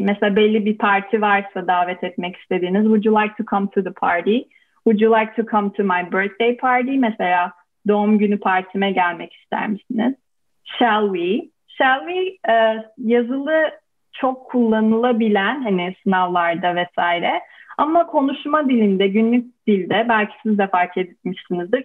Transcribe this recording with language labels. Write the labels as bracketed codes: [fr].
[tr] Mesela belli bir parti varsa davet etmek istediğiniz. [en] Would you like to come to the party? Would you like to come to my birthday party? [tr] Mesela doğum günü partime gelmek ister misiniz? [en] Shall we? Shall we [tr] yazılı çok kullanılabilen hani sınavlarda vesaire. Ama konuşma dilinde, günlük dilde belki siz de fark etmişsinizdir.